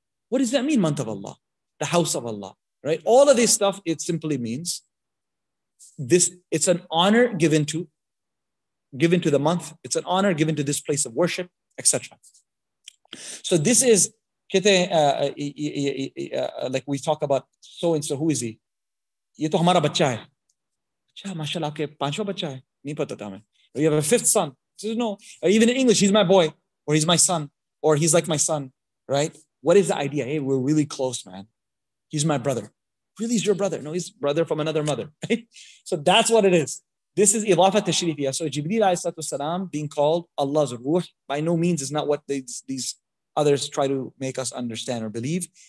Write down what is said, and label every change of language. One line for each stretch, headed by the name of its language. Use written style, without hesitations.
English: What does that mean, month of Allah? The house of Allah, right? All of this stuff, it simply means this, it's an honor given to the month, it's an honor given to this place of worship, etc. So this is, like we talk about so-and-so, who is he?
Urdu: یہ تو ہمارا بچہ ہے۔ اچھا، ماشاءاللہ، آپکے پانچوا بچہ ہے۔ نہیں پتا تھا میں۔
English: You have a fifth son. Says, no, even in English, he's my boy, or he's my son, or he's like my son, right? What is the idea? Hey, we're really close, man. He's my brother. Really, he's your brother. No, he's brother from another mother, right? So that's what it is. This is idafa tashrifiya. So Jibreel alayhi salam being called Allah's ruh, by no means is not what these others try to make us understand or believe.